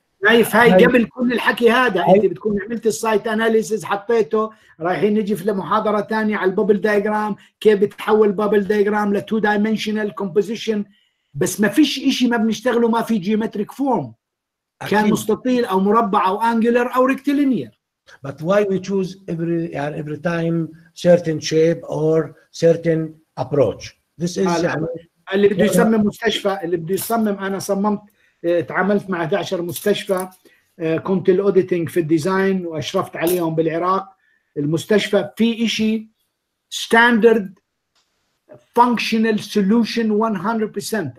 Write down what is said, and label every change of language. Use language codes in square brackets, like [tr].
[ar] نايف هاي قبل كل الحكي هذا انت بتكون عملت السايت اناليسيز حطيته رايحين نجي في محاضره ثانيه على البابل دايجرام كيف بتحول بابل دايجرام لتو دايمنشنال كومبوزيشن. بس ما فيش اشي ما بنشتغله ما في جيومتريك فورم كان مستطيل او مربع او انجولر او ريكتيلينير. [en] But why we choose every time certain shape or certain approach? This is [ar] اللي بده يصمم مستشفى اللي بده يصمم. أنا صممت تعاملت مع 11 مستشفى كنت الأوديتنج في الديزاين وأشرفت عليهم بالعراق. المستشفى في إشي [en] standard functional solution 100%.